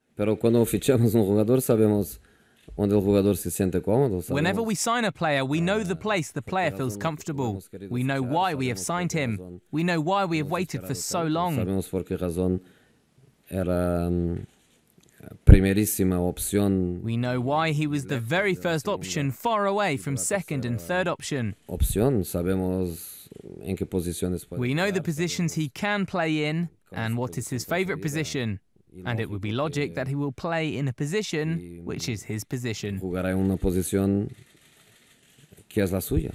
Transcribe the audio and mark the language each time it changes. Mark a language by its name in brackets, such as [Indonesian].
[Spanish] Pero cuando fichamos un jugador, sabemos donde el jugador se siente cómodo, [English] Whenever [Spanish] sabemos, [English] we sign a player, we know the place the player feels comfortable. We know why we have signed him. We know why we have waited for so long. [Spanish] Sabemos por qué razón era primerísima opción. [English] We know why he was the very first option, far away from second and third option. [Spanish] Opción, sabemos en qué posiciones puede. [English] We know the positions he can play in and what is his favorite position. And it would be logic that he will play in a position which is his position. [Spanish] Jugará en una posición que es la suya.